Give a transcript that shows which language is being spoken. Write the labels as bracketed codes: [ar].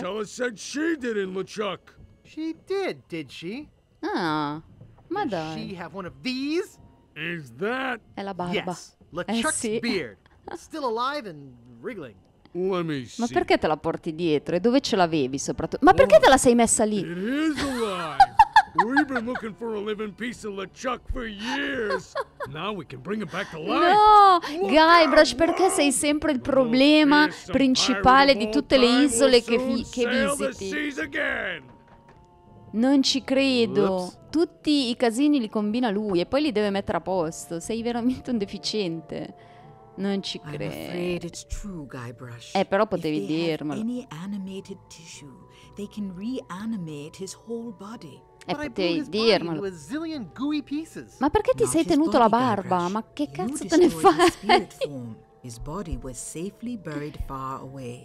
[en] Tell us said she did in LeChuck. She did she? [it] Ah, ma dai. [en] Does she have one of these? Is that? [it] È la barba. [en] Yes, LeChuck's beard. Still alive and wriggling. Let me see. [it] Ma perché te la porti dietro? E dove ce l'avevi soprattutto? Ma perché te la sei messa lì? [en] It is alive. We've been looking for a living piece of LeChuck for years. Now we can bring it back to life. [it] No, Guybrush, perché sei sempre il problema principale di tutte le isole che visiti? Non ci credo. Oops. Tutti i casini li combina lui e poi li deve mettere a posto. Sei veramente un deficiente. Non ci credo. [en] It's true, Guybrush. [it] Però potevi dirmelo. [en] Any animated tissue, they can reanimate his whole body. [it] Potevi dirmelo. [en] His body into a zillion gooey pieces. [it] Ma perché ti [en] Not [it] sei tenuto [en] body, [it] la barba? [en] Guybrush. [it] Ma che cazzo te ne fai? [en] His body was safely buried far away.